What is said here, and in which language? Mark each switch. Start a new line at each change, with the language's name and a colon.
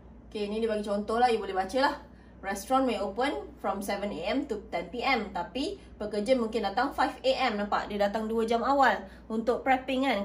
Malay: Okay, ni dia bagi contoh lah, you boleh baca lah.
English: Restaurant may open from 7 a.m. to 10 p.m.
Malay: tapi pekerja mungkin datang 5 a.m. nampak? Dia datang 2 jam awal untuk prepping kan.